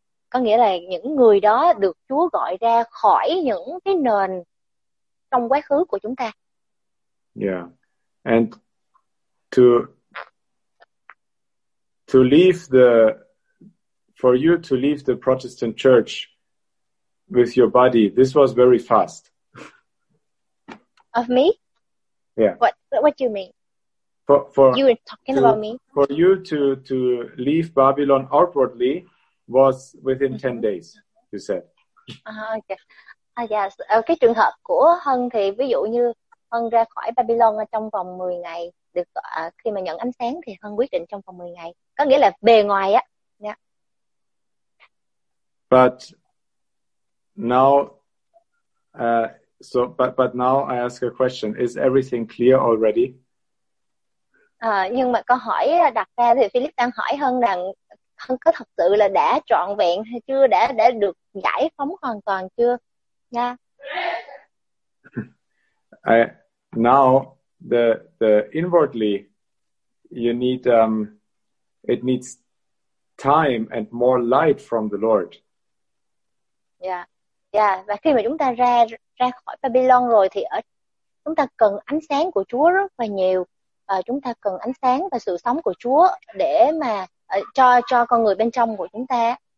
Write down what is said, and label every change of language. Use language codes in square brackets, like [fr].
[vi] Có nghĩa là những người đó được Chúa gọi ra khỏi những cái nền trong quá khứ của chúng ta. Yeah. [en] And to leave the For you to leave the Protestant church with your body, this was very fast. Of me? Yeah. What do you mean? For you were talking about me? For you to leave Babylon outwardly was within 10 days, you said. Okay. Yes. [vi] Cái trường hợp của Hân thì ví dụ như Hân ra khỏi Babylon trong vòng 10 ngày, được khi mà nhận ánh sáng thì Hân quyết định trong vòng 10 ngày. Có nghĩa là bề ngoài á. [en] But now, but now I ask a question: is everything clear already? [vi] Nhưng mà câu hỏi đặt ra thì Philip đang hỏi hơn rằng hơn có thật sự là đã trọn vẹn hay chưa, đã được giải phóng hoàn toàn chưa? Yeah. [en] Now the inwardly, you need it needs time and more light from the Lord. [vi] Và khi mà chúng ta ra khỏi Babylon rồi thì chúng ta cần ánh sáng của Chúa rất là nhiều. Chúng ta cần ánh sáng và sự sống của Chúa để mà cho con người bên trong của chúng ta.